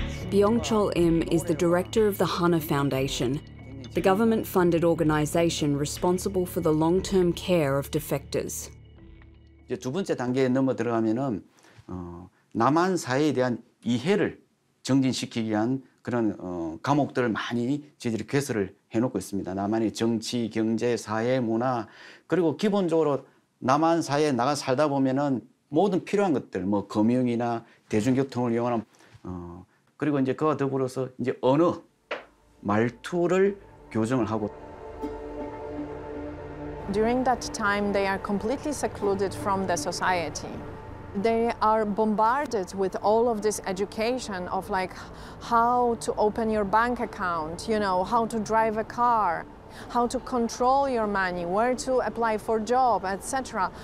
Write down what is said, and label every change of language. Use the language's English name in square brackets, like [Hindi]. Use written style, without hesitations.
[English] Byung-chul Im is the director of the Hana Foundation, the government-funded organization responsible for the long-term care of defectors. [Korean] 이제 두 번째 단계에 넘어 들어가면은 남한 사회에 대한 이해를 정진시키기 위한 그런 감옥들을 많이 저희들이 개설을 해놓고 있습니다. 남한의 정치, 경제, 사회, 문화 그리고 기본적으로 남한 사회에 나가 살다 보면은 모든 필요한 것들, 뭐 금융이나 대중교통을 이용하는 그리고 이제 그와 더불어서 이제 언어, 말투를 교정을 하고. [English] During that time, they are completely secluded from the society. They are bombarded with all of this education of like how to open your bank account, you know, how to drive a car, how to control your money, where to apply for a job, etc.